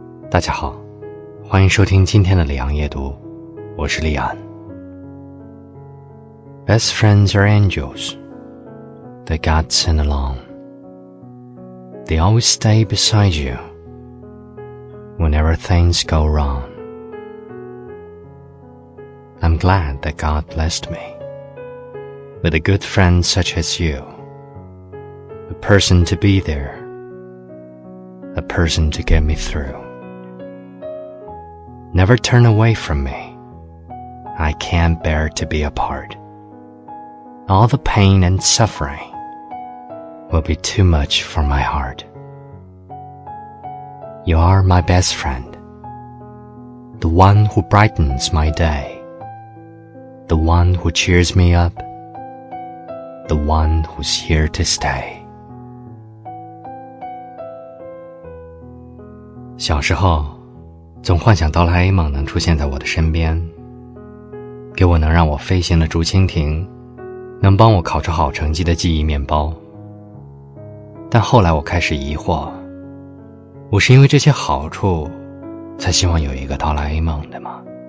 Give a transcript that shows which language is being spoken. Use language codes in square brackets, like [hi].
[zh] 大家好，欢迎收听今天的李昂夜读，我是李昂。 [en] Best friends are angels. They guide sin along. They always stay beside you whenever things go wrong. I'm glad that God blessed me with a good friend such as you. A person to be there. A person to get me throughNever turn away from me. I can't bear to be apart. All the pain and suffering will be too much for my heart. You are my best friend. The one who brightens my day. The one who cheers me up. The one who's here to stay. [zh] 小时候总幻想哆啦 A 梦能出现在我的身边，给我能让我飞行的竹蜻蜓，能帮我考出好成绩的记忆面包。但后来我开始疑惑，我是因为这些好处才希望有一个哆啦 A 梦的吗？